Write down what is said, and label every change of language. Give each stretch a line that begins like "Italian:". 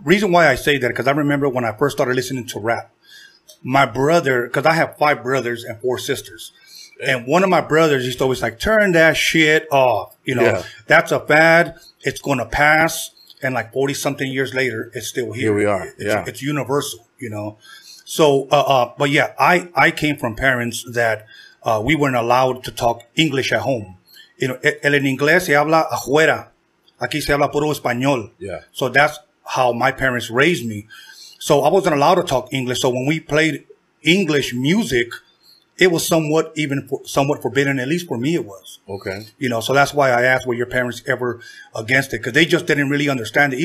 English: Reason why I say that, because I remember when I first started listening to rap, my brother, because I have five brothers and four sisters, and one of my brothers used to always like, turn that shit off. You know, that's a fad. It's going to pass. And like 40 something years later, it's still here. Here we are. It's universal, you know. So, but yeah, I came from parents that, we weren't allowed to talk English at home. You know,
Spanish: el en inglés se habla afuera. Aquí se habla puro español.
English: Yeah. So that's how my parents raised me. So I wasn't allowed to talk English. So when we played English music, it was somewhat forbidden. At least for me, it was. Okay. You know, so that's why I asked, were your parents ever against it? Because they just didn't really understand it.